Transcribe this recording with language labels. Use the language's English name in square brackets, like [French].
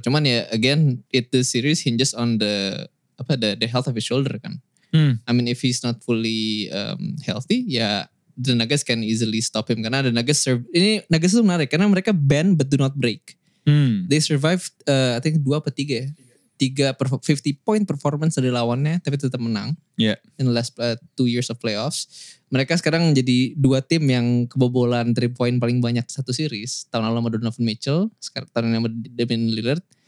[Indonesian] Cuman [English] again, the series hinges on the health of his shoulder kan. I mean, if he's not fully healthy, the Nuggets can easily stop him. Karena the Nuggets serve, [Indonesian] ini Nuggets itu menarik, karena mereka [English] bend but do not break. They survived, I think 2 atau 3 ya. [Indonesian] 3 50 point performance dari lawannya, tapi tetap menang. [English] Yeah. In the last 2 years of playoffs. [Indonesian] Mereka sekarang jadi 2 tim yang kebobolan 3 point paling banyak satu series. Tahun lalu sama Donovan Mitchell, sekarang tahun ini sama Damian Lillard.